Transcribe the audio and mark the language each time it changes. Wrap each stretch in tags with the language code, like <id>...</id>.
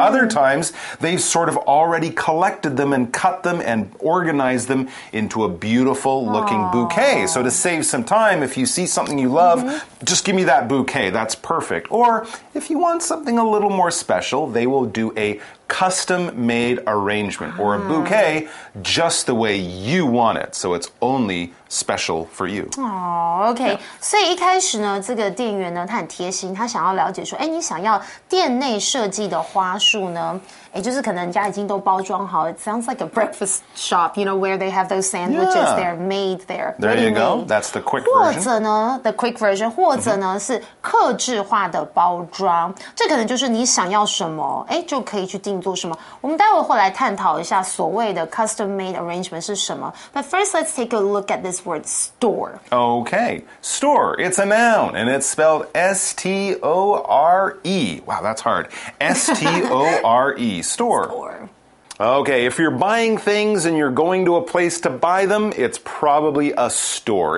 <en>Other times, they've sort of already collected them and cut them and organized them into a beautiful-looking bouquet. So to save some time, if you see something you love, just give me that bouquet. That's perfect. Or if you want something a little more special, they will do a custom-made arrangement or a bouquet just the way you want it. So it's only special for you. Okay. Yeah.</en> <zh>所以一开始呢，这个店员呢，他很贴心，他想要了解说，哎，你想要店内设计的花束呢？哎，就是可能人家已经都包装好了。</zh> <en>It sounds like a breakfast shop, you know, where they have those sandwiches. Yeah. They're made there. There you go. That's the quick version.</en> <zh>或者呢 ，</zh> <en>the quick version，</en> <zh>或者呢是客制化的包装。这可能就是你想要什么，哎，就可以去定做什么。我们待会会来探讨一下所谓的 custom made arrangement 是什么。</zh> <en>But first, let's take a look at this word store. Okay, store. It's a noun, and it's spelled S-T-O-R-E. Wow, that's hard. S-T-O-R-E. Store. Okay, if you're buying things and you're going to a place to buy them, it's probably a store.</en>